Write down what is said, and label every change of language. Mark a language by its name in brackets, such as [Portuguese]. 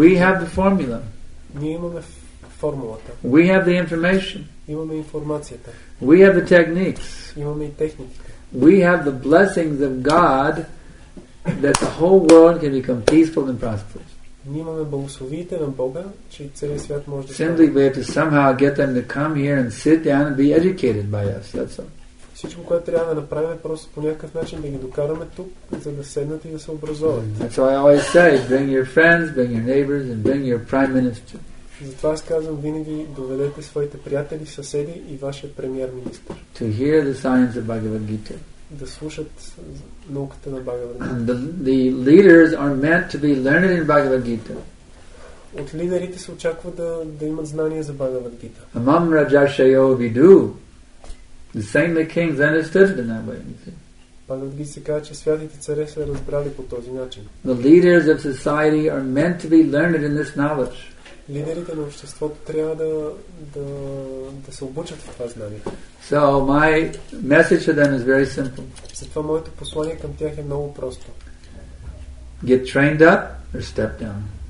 [English] We have the formula. [Bulgarian] Ние имаме формулата. [English] We have the information. [Bulgarian] Имаме информацията. [English] We have the techniques. [Bulgarian] Имаме и техниките. [English] We have the blessings of God that the whole world can become peaceful and prosperous. [Bulgarian] Ние имаме благословиите на Бога, че целият свят може да... [English] Simply we have to somehow get them to come here and sit down and be educated by us. That's all. [Bulgarian] Всичко, което трябва да направим, е просто по някакъв начин да ги докараме тук, за да седнат и да се образуват. [English] That's why I always say, bring your friends, bring your neighbors and bring your prime minister. [Bulgarian] Затова аз казвам, винаги доведете своите приятели, съседи и вашия премиер-министр. [English] To hear the science of Bhagavad Gita. [Bulgarian] Да слушат науката на Бхагавад Гита. [English] The leaders are meant to be learned in Bhagavad Gita. [Bulgarian] От лидерите се очаква да имат знания за Бхагавад Гита. [Sanskrit] Amam Rajashayo Vidu. [English] The saintly kings understood it in that way. [Bulgarian] Бхагавад Гита се казва, че святите царе са разбрали по този начин. [English] The leaders of society are meant to be learned in this knowledge. [Bulgarian] Лидерите на обществото трябва да се обучат в това знание. [English] So my message to them is very simple. [Bulgarian] Затова моето послание към тях е много просто. [English] Get trained up or step down.